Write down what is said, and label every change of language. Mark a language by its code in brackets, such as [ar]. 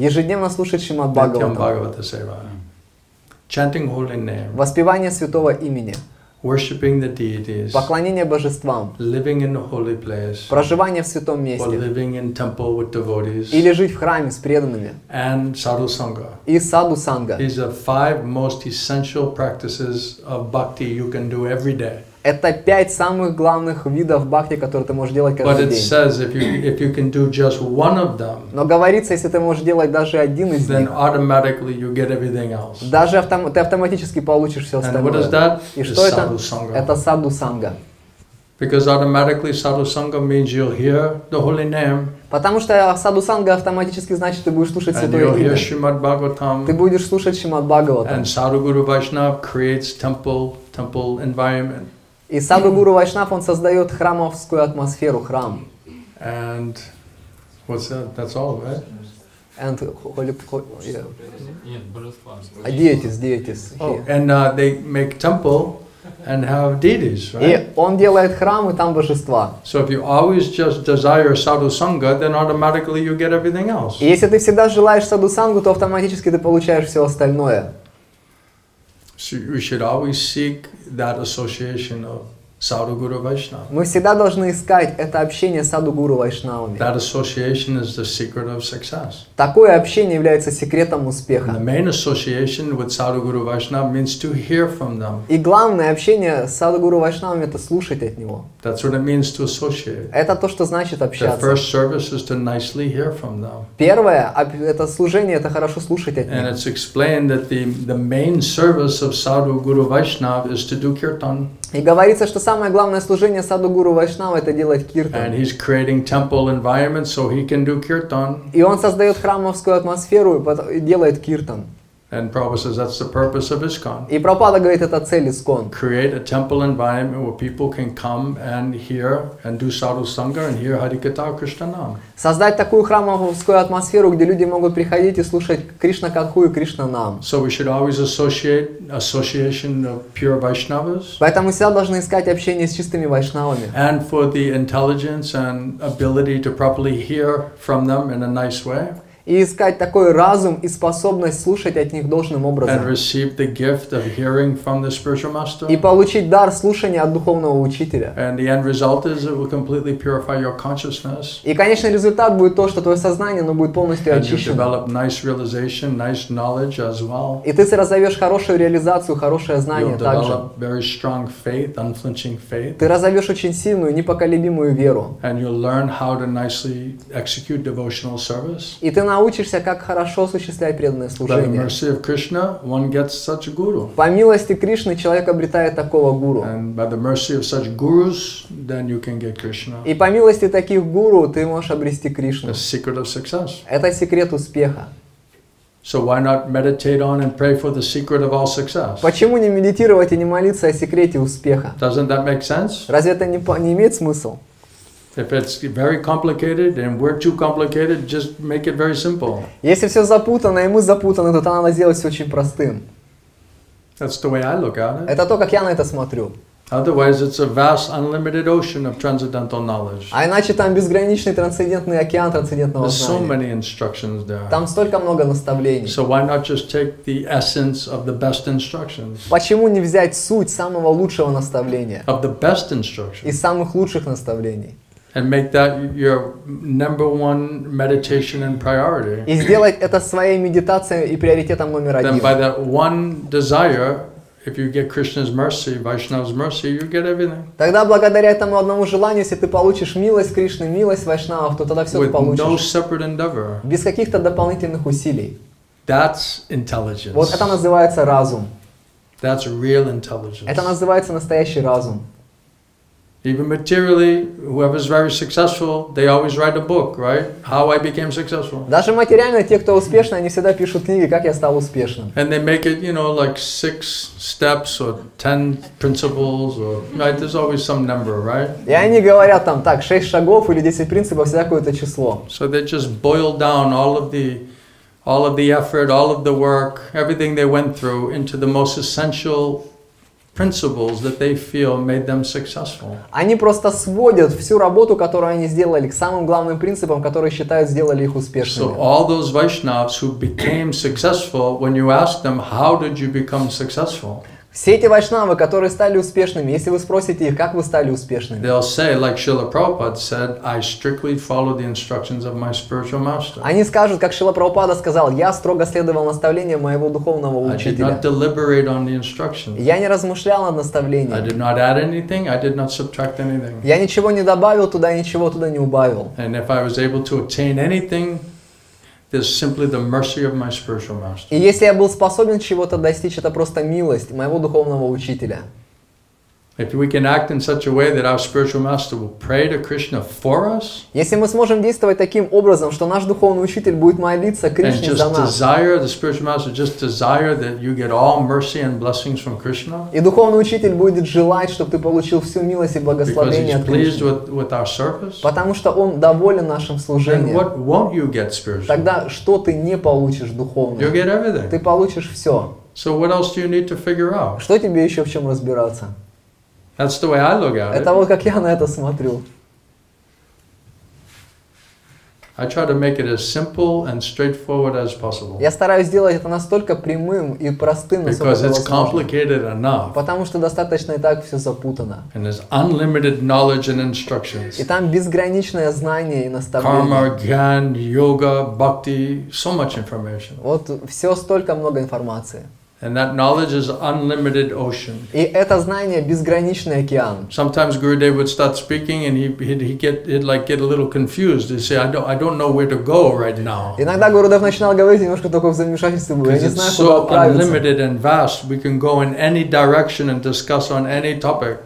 [ru] Ежедневно слушать Шримад Бхагаватам. [en] Bhagavata Seva. Chanting holy name. [ru] Воспевание святого имени. [en] Worshipping the deities, [ru] поклонение божествам, [en] living in a holy place, [ru] проживание в святом месте, [en] or living in temple with devotees, [ru] или жить в храме с преданными, [en] and sadhu sangha. [ru] И саду санга. [en] These are five most essential practices of bhakti you can do every day. [ru] Это пять самых главных видов бхакти, которые ты можешь делать каждый день. [en] But it says if you can do just one of them, [ru] но говорится, если ты можешь делать даже один из [en] then [ru] них, [en] automatically you get everything else. [ru] Даже ты автоматически получишь все остальное. [en] And what is that? [ru] И что это? Это саду санга. [en] Because automatically sadhu sangha means you'll hear the holy name. [ru] Потому что саду санга автоматически значит, ты будешь слушать святое имя. [en] And you'll hear Shrimad Bhagavatam. [ru] Ты будешь слушать Шримад Бхагаватам. [en] And sadhu guru Vaishnav creates temple environment. [ru] И саду гуру Вайшнав, он создает храмовскую атмосферу, храм. [en] And what's that? That's all, right? And holy... Yeah. Deities. Oh, and they make temple and have deities, right? [ru] И он делает храм, и там божества. [en] So if you always just desire sadhu sangha, then automatically you get everything else. [ru] И если ты всегда желаешь саду сангу, то автоматически ты получаешь все остальное. [en] So we should always seek that association of Sadhu Guru Vaishnava. [ru] Мы всегда должны искать это общение Sadhu Guru Vaishnavami. [en] That association is the secret of success. [ru] Такое общение является секретом успеха. [en] The main association with Sadhu Guru Vaishnava means to hear from them. [ru] И главное общение с Sadhu Guru Vaishnavami это слушать от него. [en] That's what it means to associate. [ru] Это то, что значит общаться. [en] The first service is to nicely hear from them. [ru] Первое это служение это хорошо слушать от них. [en] And it's explained that the main service of Sadhu Guru Vaishnava is to do kirtan. [ru] И говорится, что самое главное служение саду гуру Вайшнава это делать киртан. И он создает храмовскую атмосферу и делает киртан. [en] And Prabhupada says that's the purpose of ISKCON. [ru] И Прабхупада говорит, это цель ISKCON. [en] Create a temple environment where people can come and hear and do sadhu sangha and hear Harikatha Krishna Nam. [ru] Создать такую храмовскую атмосферу, где люди могут приходить и слушать Кришна Катху и Кришна Нам. [en] So we should always association of pure Vaishnavas. [ru] Поэтому всегда должны искать общение с чистыми Вайшнавами. [en] And for the intelligence and ability to properly hear from them in a nice way. [ru] И искать такой разум и способность слушать от них должным образом. И получить дар слушания от духовного учителя. И конечный результат будет то, что твое сознание оно будет полностью очищено. И ты разовьешь хорошую реализацию, хорошее знание также. Ты разовьешь очень сильную, непоколебимую веру. И ты научишься научишься, как хорошо осуществлять преданное служение. [en] By the mercy of Krishna, one gets such a guru. [ru] По милости Кришны человек обретает такого гуру. [en] And by the mercy of such gurus, then you can get Krishna. [ru] И по милости таких гуру ты можешь обрести Кришну. [en] The secret of success. [ru] Это секрет успеха. [en] So why not meditate on and pray for the secret of all success? [ru] Почему не медитировать и не молиться о секрете успеха? [en] Doesn't that make sense? [ru] Разве это не имеет смысл? [en] If it's very complicated and we're too complicated, just make it very simple. [ru] Если все запутано и мы запутаны, то надо сделать все очень простым. [en] That's the way I look at it. [ru] Это то, как я на это смотрю. [en] Otherwise, it's a vast, unlimited ocean of transcendental knowledge. [ru] А иначе там безграничный трансцендентный океан трансцендентного [en] There's [ru] знания. [en] There's so many instructions there. [ru] Там столько много наставлений. [en] So why not just take the essence of the best instructions? [ru] Почему не взять суть самого лучшего наставления? [en] Of the best instructions. [ru] Из самых лучших наставлений. [en] And make that your number one meditation and priority. [ru] И сделать это своей медитацией и приоритетом номер один. [en] Then by that one desire. If you get Krishna's mercy, Vaishnava's mercy, you get everything. [ru] Тогда благодаря этому одному желанию, если ты получишь милость Кришны, милость Вайшнавов, то тогда все [en] With [ru] ты получишь. [en] With no separate endeavor. [ru] Без каких-то дополнительных усилий. [en] That's intelligence. [ru] Вот это называется разум. [en] That's real intelligence. [ru] Это называется настоящий разум. [en] Even materially, whoever's very successful, they always write a book, right? How I became successful. [ru] Даже материально те, кто успешный, они всегда пишут книги, как я стал успешным. [en] And they make it, you know, like 6 steps or 10 principles or right. There's always some number, right? [ru] И они говорят там так 6 шагов или 10 принципов всегда какое-то число. [en] So they just boil down all of the effort, all of the work, everything they went through into the most essential. Principles that they feel made them successful. [ru] Они просто сводят всю работу, которую они сделали, к самым главным принципам, которые считают сделали их успешными. [en] So all those Vaishnavas who became successful, when you ask them, how did you become successful? [ru] Все эти Вайшнавы, которые стали успешными, если вы спросите их, как вы стали успешными? [en] They'll say, like Srila Prabhupada said, I strictly followed the instructions of my spiritual master. [ru] Они скажут, как Шрила Прабхупада сказал, я строго следовал наставлениям моего духовного учителя. [en] I did not deliberate on the instructions. [ru] Я не размышлял над наставлениями. [en] I did not add anything, I did not subtract anything. [ru] Я ничего не добавил туда, ничего туда не убавил. [en] And if I was able to attain anything, This is simply the mercy of my spiritual master. [ru] И если я был способен чего-то достичь, это просто милость моего духовного учителя. [en] If we can act in such a way that our spiritual master will pray to Krishna for us, [ru] если мы сможем действовать таким образом, что наш духовный учитель будет молиться Кришне за нас, [en] and just desire the spiritual master just desire that you get all mercy and blessings from Krishna, [ru] и духовный учитель будет желать, чтобы ты получил всю милость и благословение от Кришны, [en] because he's pleased with our service, [ru] потому что он доволен нашим служением, [en] then what won't you get spiritually? [ru] Тогда что ты не получишь духовно? [en] You'll get everything. [ru] Ты получишь все. [en] So what else do you need to figure out? [ru] Что тебе еще в чем разбираться? [en] That's the way I look at it. [ru] Это вот как я на это смотрю. [en] I try to make it as simple and straightforward as possible. [ru] Я стараюсь сделать это настолько прямым и простым, насколько [en] Because it's [ru] возможно. [en] Complicated enough. [ru] Потому что достаточно и так все запутано. [en] And there's unlimited knowledge and instructions. [ru] И там безграничное знание и наставление. [en] Karma, Gyan, Yoga, Bhakti, so much information. [ru] Вот все столько много информации. [en] And that knowledge is unlimited ocean. [ru] И это знание безграничный океан. [en] Sometimes Gurudev would start speaking, and he'd get a little confused. He'd say, I don't know where to go right now. [ru] Иногда Гурудев начинал говорить немножко только в замешательстве, я не знаю, куда отправиться. [en] So unlimited and vast, we can go in any direction and discuss on any topic.